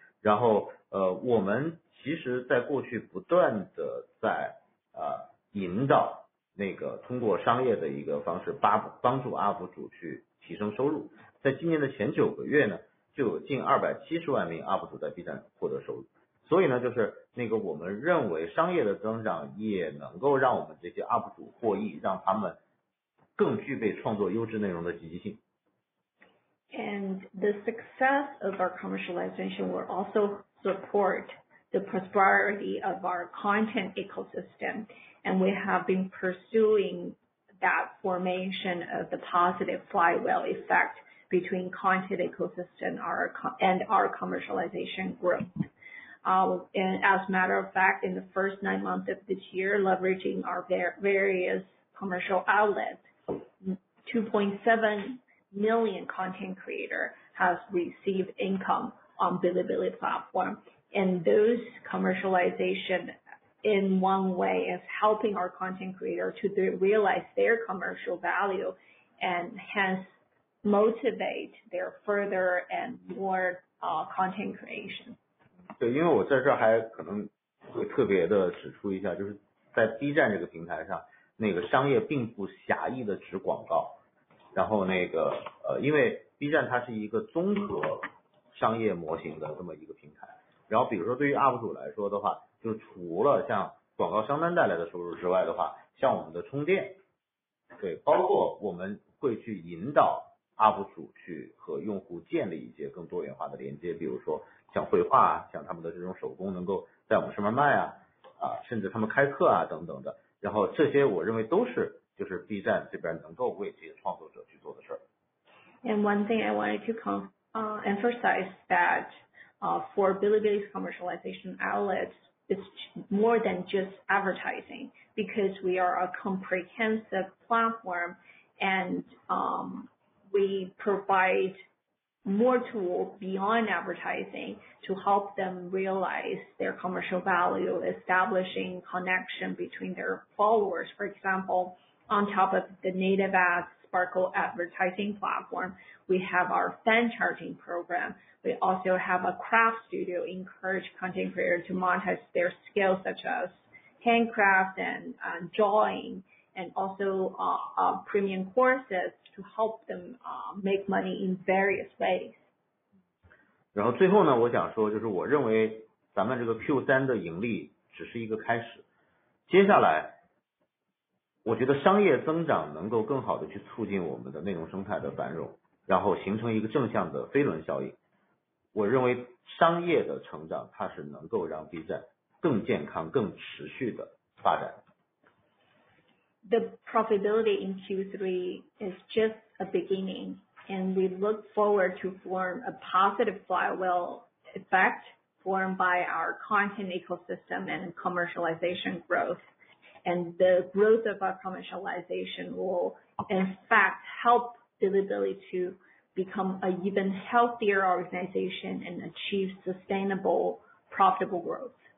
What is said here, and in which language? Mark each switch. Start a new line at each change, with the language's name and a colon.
Chinese: 然后我们其实在过去不断的在引导那个通过商业的一个方式帮助 UP 主去提升收入。在今年的前九个月呢就有近270万名 UP 主在 B 站获得收入。所以呢就是那个我们认为商业的增长也能够让我们这些 UP 主获益，让他们更具备创作优质内容的积极性。
English: And the success of our commercialization will also support the prosperity of our content ecosystem. And we have been pursuing that formation of the positive flywheel effect between content ecosystem and our commercialization growth. And as a matter of fact, in the first 9 months of this year, leveraging our various commercial outlets, 2.7 million content creators have received income on Bilibili platform. And those commercialization in one way is helping our content creator to realize their commercial value and hence motivate their further and more content creation.
Chinese: 对，因为我在这儿还可能会特别的指出一下，就是在 B 站这个平台上，那个商业并不狭义的指广告，然后那个因为 B 站它是一个综合商业模型的这么一个平台，然后比如说对于 UP 主来说的话，就除了像广告商单带来的收入之外的话，像我们的充电，对，包括我们会去引导 UP 主去和用户建立一些更多元化的连接，比如说像绘画啊，像他们的这种手工能够在我们上面卖啊，啊，甚至他们开课啊等等的，然后这些我认为都是就是 B 站这边能够为这些创作者去做的事儿。
English: And one thing I wanted to emphasize that for Bilibili's commercialization outlets, it's more than just advertising because we are a comprehensive platform and we provide more tools beyond advertising to help them realize their commercial value, establishing connection between their followers. For example, on top of the native ads, Sparkle advertising platform, we have our fan charting program. We also have a craft studio, encourage content creators to monetize their skills such as handcraft and drawing, and also premium courses to help them make money in various ways.
Chinese: 然后最后呢，我想说就是我认为咱们这个 Q3 的盈利只是一个开始，接下来我觉得商业增长能够更好的去促进我们的内容生态的繁荣，然后形成一个正向的飞轮效应。我认为商业的成长它是能够让 B 站更健康更持续的发展。
English: The profitability in Q3 is just a beginning and we look forward to form a positive flywheel effect formed by our content ecosystem and commercialization growth. And the growth of our commercialization will, in fact, help Bilibili to become an even healthier organization and achieve sustainable, profitable growth.